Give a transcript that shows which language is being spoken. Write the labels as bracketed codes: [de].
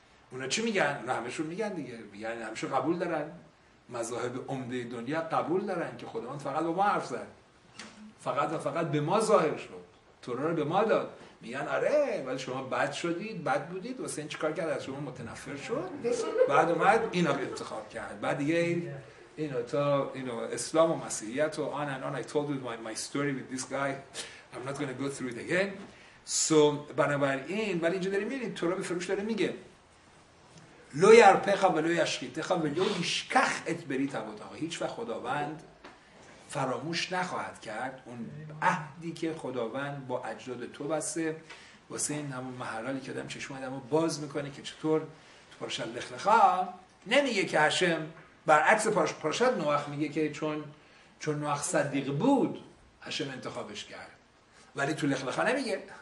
[fa] اونا چی میگن؟ اونا همشون میگن دیگه، یعنی همشون قبول دارن، مذاهب عمده دنیا قبول دارن که خداوند فقط با ما حرف زد، فقط و فقط به ما ظاهر شد، توراه رو به ما داد. میگن آره، ولی شما بد شدید، بد بودید، واسه این چیکار کرد؟ از شما متنفر شد، بعد اومد اینا رو انتخاب کرد، بعد دیگه اینا تا اینا اسلام و مسیحیت و آن آن. [en] I told you my story with this guy, I'm not going to go through it again. [fa] So بنابراین، ولی اینجا داریم میبینیم توراه به فروش داره میگه لو یرپخا و لو یشخیتخا و لو یشکخ ات بری تبوتاها، هیچ وقت خداوند فراموش نخواهد کرد اون عهدی که خداوند با اجداد تو بسته، واسه این همون محرالی که آدم چشم آدم رو باز میکنه که چطور تو پارشت لخلخا نمیگه که هشم، برعکس پارشت نوح میگه که چون نوح صدیق بود هشم انتخابش کرد، ولی تو لخلخا نمیگه.